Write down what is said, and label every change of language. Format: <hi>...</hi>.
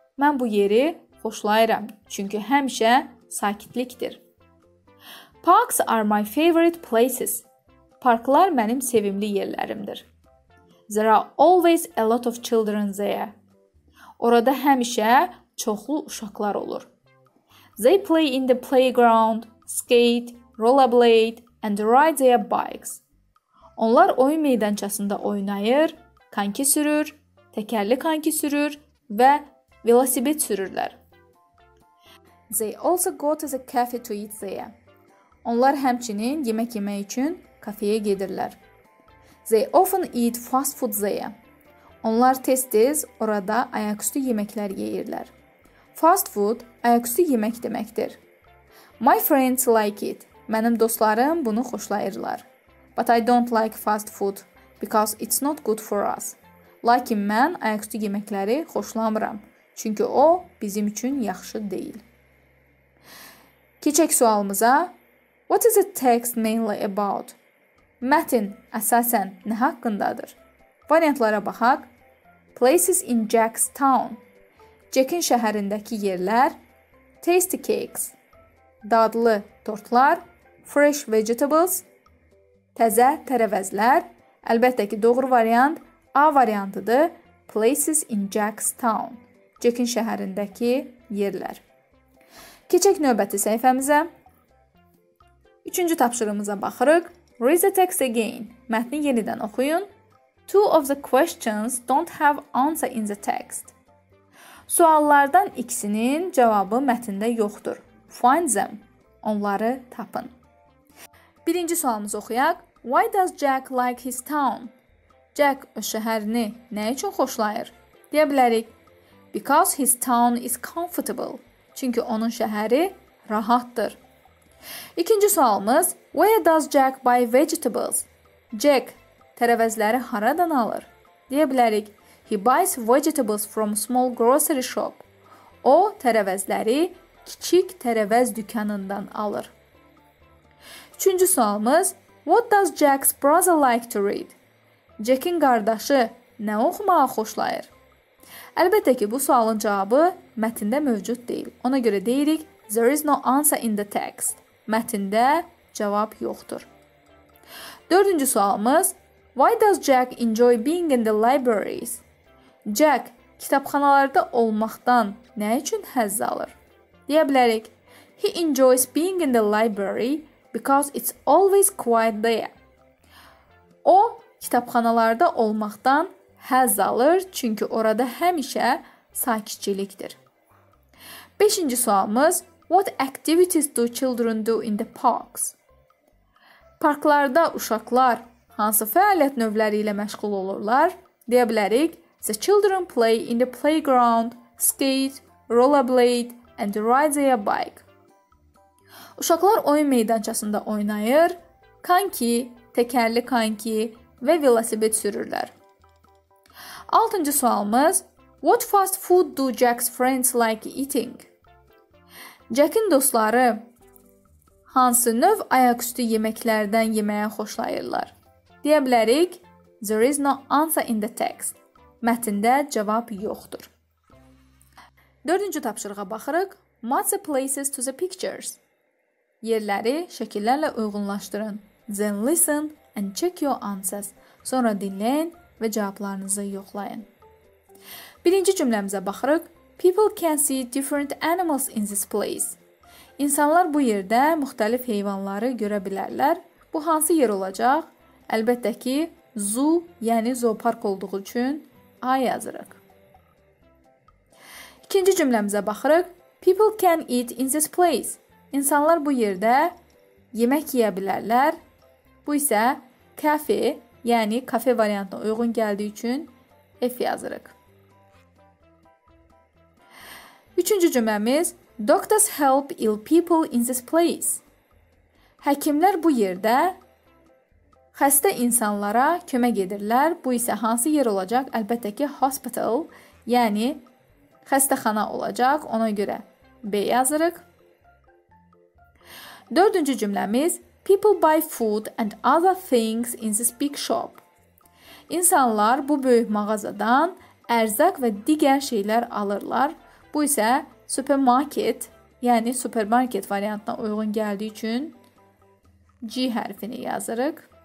<az>Mən bu yeri xoşlayıram, çünki həmişə sakitlikdir.</az> <en>Parks are my favorite places.</en> <az>Parklar mənim sevimli yerlərimdir.</az> <en>There are always a lot of children there.</en> <az>Orada həmişə çoxlu uşaqlar olur.</az> <en>They play in the playground, skate, rollerblade and ride their bikes.</en> <az>Onlar oyun meydançasında oynayır, konki sürür, təkərli konki sürür və velosiped sürürlər.</az> <en>They also go to the cafe to eat there.</en> <az>Onlar həmçinin yemək yemək üçün kafeyə gedirlər.</az> <en>They often eat fast food there.</en> <az>Onlar tez-tez orada ayaqüstü yeməklər yeyirlər. Fast food ayaqüstü yemək deməkdir.</az> <en>My friends like it.</en> <az>Mənim dostlarım bunu xoşlayırlar.</az> <en>But I don't like fast food because it's not good for us.</en> <az>Lakin mən ayaqüstü yeməkləri xoşlamıram. Çünki o bizim üçün yaxşı deyil. Keçək sualımıza.</az> <en>What is the text mainly about?</en> <az>Mətin əsasən nə haqqındadır? Variantlara baxaq.</az> <en>Places in Jack's town.</en> <az>Jack'in şəhərindəki yerlər.</az> <en>Tasty cakes.</en> <az>Dadlı tortlar.</az> <en>Fresh vegetables.</en> <az>Təzə tərəvəzlər. Əlbəttə ki, doğru variant A variantıdır.</az> <en>Places in Jack's town.</en> <az>Jack'in şəhərindəki yerlər. Keçək növbəti səhifəmizə. Üçüncü tapşırığımıza baxırıq.</az> <en>Read the text again.</en> <az>Mətni yenidən oxuyun.</az> <en>Two of the questions don't have answer in the text.</en> <az>Suallardan ikisinin cavabı mətndə yoxdur.</az> <en>Find them.</en> <az>Onları tapın. Birinci sualımızı oxuyaq.</az> <en>Why does Jack like his town?</en> <az>Jack öz şəhərini nə üçün xoşlayır? Deyə bilərik.</az> <en>Because his town is comfortable.</en> <az>Çünki onun şəhəri rahatdır. İkinci sualımız.</az> <en>Where does Jack buy vegetables?</en> <az>Jack tərəvəzləri haradan alır? Deyə bilərik.</az> <en>He buys vegetables from small grocery shop.</en> <az>O, tərəvəzləri kiçik tərəvəz dükkanından alır. Üçüncü sualımız.</az> <en>What does Jack's brother like to read?</en> <az>Jack'in qardaşı nə oxumağı xoşlayır? Əlbəttə ki, bu sualın cavabı mətndə mövcud deyil. Ona görə deyirik,</az> <en>there is no answer in the text.</en> <az>Mətndə cavab yoxdur. Dördüncü sualımız.</az> <en>Why does Jack enjoy being in the libraries?</en> <az>Jack kitabxanalarda olmaqdan nə üçün həzz alır? Deyə bilərik.</az> <en>He enjoys being in the library because it's always quiet there.</en> <az>O, kitabxanalarda olmaqdan həzz alır, çünki orada həmişə sakitçilikdir. Beşinci sualımız.</az> <en>What activities do children do in the parks?</en> <az>Parklarda uşaqlar hansı fəaliyyət növləri ilə məşğul olurlar? Deyə bilərik.</az> <en>The children play in the playground, skate, rollerblade and ride their bike.</en> <az>Uşaqlar oyun meydançasında oynayır, kanki, təkərli kanki və velosiped sürürlər. Altıncı sualımız.</az> <en>What fast food do Jack's friends like eating?</en> <az>Jack'in dostları hansı növ ayaqüstü yeməklərdən yeməyə xoşlayırlar? Deyə bilərik.</az> <en>There is no answer in the text.</en> <az>Mətndə cavab yoxdur. Dördüncü tapşırığa baxırıq.</az> <en>Match the places to the pictures.</en> <az>Yerləri şəkillərlə uyğunlaşdırın.</az> <en>Then listen and check your answers.</en> <az>Sonra dinləyin və cavablarınızı yoxlayın. Birinci cümləmizə baxırıq.</az> <en>People can see different animals in this place.</en> <az>İnsanlar bu yerdə müxtəlif heyvanları görə bilərlər. Bu hansı yer olacaq? Əlbəttə ki, zoo, yəni zoopark olduğu üçün A yazırıq. İkinci cümləmizə baxırıq.</az> <en>People can eat in this place.</en> <az>İnsanlar bu yerdə yemək yiyə bilərlər. Bu isə cafe, yəni kafe variantına uyğun gəldiyi üçün F yazırıq. Üçüncü cümləmiz.</az> <en>Doctors help ill people in this place.</en> <az>Həkimlər bu yerdə xəstə insanlara kömək edirlər. Bu isə hansı yer olacaq? Əlbəttə ki, hospital, yəni xəstəxana olacaq. Ona görə B yazırıq. Dördüncü cümləmiz.</az> <en>People buy food and other things in this big shop.</en> <az>İnsanlar bu böyük mağazadan ərzaq və digər şeylər alırlar. Bu isə supermarket, yəni supermarket variantına uyğun gəldiyi üçün G hərfini yazırıq.</az>